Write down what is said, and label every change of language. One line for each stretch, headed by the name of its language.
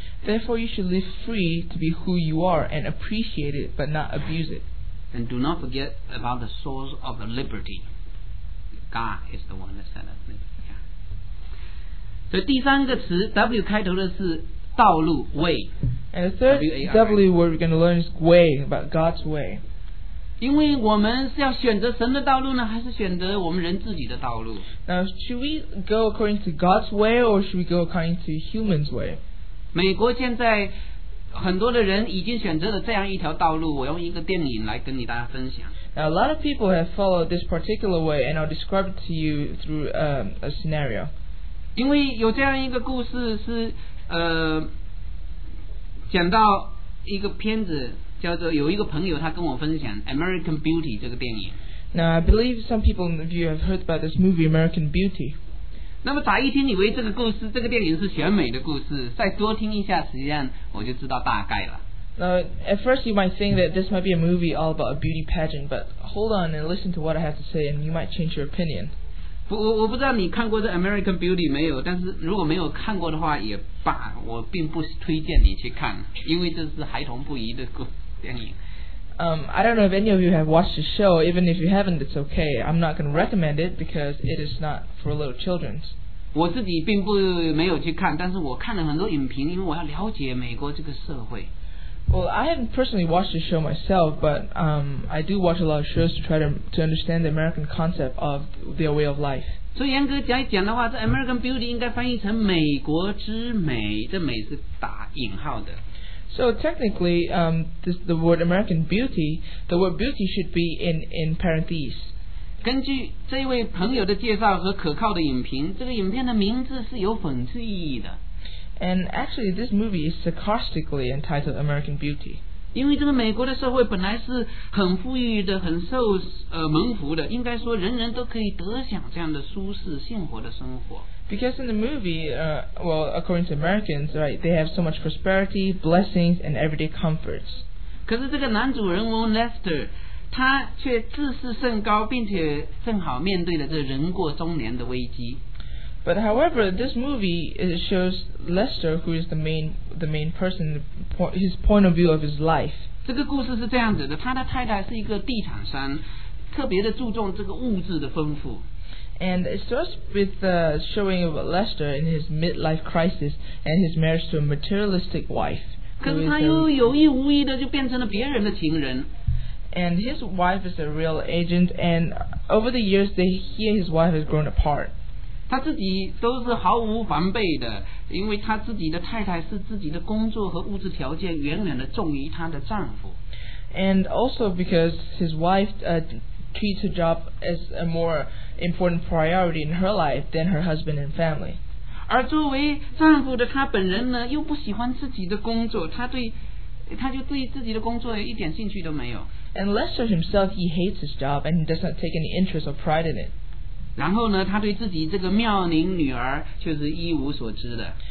English: Therefore, you should live free to be who you are and appreciate it, but not abuse it. And do not forget about the source of the liberty. God is the one that set us free.
Chinese: 所以第三个词 W 开头的是道路 way.
English: And the third W word we're going to learn is way, about God's way.
Chinese: 因为我们是要选择神的道路呢，还是选择我们人自己的道路？
English: Now, should we go according to God's way or should we go according to human's way?
Chinese: 美国现在很多的人已经选择了这样一条道路，我用一个电影来跟你大家分享。
English: Now, a lot of people have followed this particular way and I'll describe it to you through a scenario.
Chinese: 因为有这样一个故事是讲到一个片子叫做有一个朋友他跟我分享 American Beauty 这个电影。
English: Now I believe some people of you have heard about this movie American Beauty.
Chinese: 那么乍一听以为这个故事这个电影是选美的故事，再多听一下实际上我就知道大概了。
English: Now at first you might think that this might be a movie all about a beauty pageant, but hold on and listen to what I have to say and you might change your opinion.
Chinese: 我不知道你看过这 American Beauty 没有，但是如果没有看过的话也罢，我并不推荐你去看，因为这是孩童不宜的故事。
English: I don't know if any of you have watched the show. Even if you haven't, it's okay. I'm not going to recommend it because it is not for little children.
Chinese: 我自己并不没有去看，但是我看了很多影评，因为我要了解美国这个社会。
English: Well, I haven't personally watched the show myself, but I do watch a lot of shows to try to understand the American concept of their way of life.
Chinese: 所以严格讲一讲的话，这 American Beauty 应该翻译成美国之美，这美是打引号的。
English: So technically, this, the word American Beauty, the word beauty should be in parentheses.
Chinese: 根据这位朋友的介绍和可靠的影评，这个影片的名字是有讽刺意义的。
English: And actually, this movie is sarcastically entitled American Beauty.
Chinese: 因为这个美国的社会本来是很富裕的，很受蒙福的，应该说人人都可以得享这样的舒适幸福的生活。
English: Because in the movie, well, according to Americans, right, they have so much prosperity, blessings, and everyday comforts.
Chinese: 可是这个男主人翁 Lester, 他却自视甚高，并且正好面对了这人过中年的危机。
English: But however, this movie it shows Lester, who is the main person, his point of view of his life.
Chinese: 这个故事是这样子的，他的太太是一个地产商，特别的注重这个物质的丰富。
English: And it starts with the showing of Lester in his midlife crisis and his marriage to a materialistic wife.
Chinese: 可是他又有意无意的就变成了别人的情人。
English: And his wife is a real agent, and over the years, he and his wife has grown apart.
Chinese: 他自己都是毫无防备的，因为他自己的太太是自己的工作和物质条件远远的重于他的丈夫。
English: And also because his wife, treats her job as a more important priority in her life than her husband and family.
Chinese: 而作为丈夫的他本人呢，又不喜欢自己的工作，他就对自己的工作一点兴趣都没有。
English: And Lester himself, he hates his job and he does not take any interest or pride in it.
Chinese: 然后呢，他对自己这个妙龄女儿却是一无所知的。